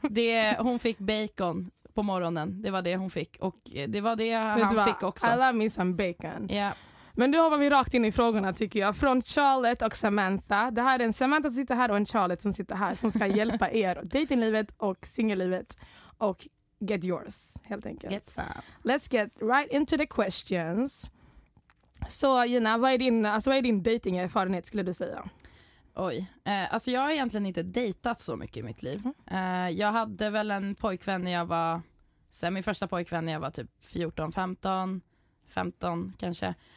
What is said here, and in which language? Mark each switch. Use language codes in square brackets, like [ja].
[sv] Det är, hon fick bacon på morgonen, det var det hon fick. Och det var det han vad? Fick också. [en] I love me some bacon. Yeah. [sv] Men nu hoppar vi rakt in i frågorna tycker jag. Från Charlotte och Samantha. Det här är en Samantha som sitter här och en Charlotte som sitter här. Som ska hjälpa er datinglivet och singellivet. Och [en] get yours, [sv] helt enkelt. [en] Get some. Let's get right into the questions. [sv] Så Gina, vad är din dating-erfarenhet skulle du säga? Oj, alltså jag har egentligen inte dejtat så mycket i mitt liv. Jag hade väl en pojkvän när jag var, sen min första pojkvän när jag var typ 14, 15 kanske.